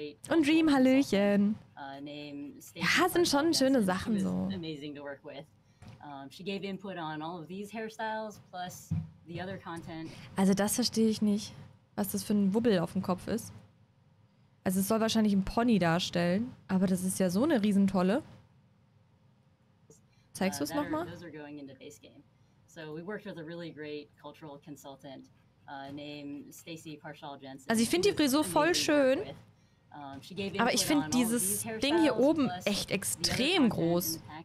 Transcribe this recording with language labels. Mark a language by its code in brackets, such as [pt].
[de] Und Dream, Hallöchen. Ja, sind schon schöne Sachen so. [en] Amazing to work with. She gave input on all of these hairstyles plus the other content. [de] Also das verstehe ich nicht, was das für ein Wubbel auf dem Kopf ist. Also es soll wahrscheinlich ein Pony darstellen, aber das ist ja so eine Riesentolle. Zeigst du es nochmal? [en] Those are going into base game. So we worked with a really great cultural consultant named Stacy Parshall Jensen. [de] Also ich finde die Frisur voll schön, aber ich finde dieses Ding hier oben echt extrem groß.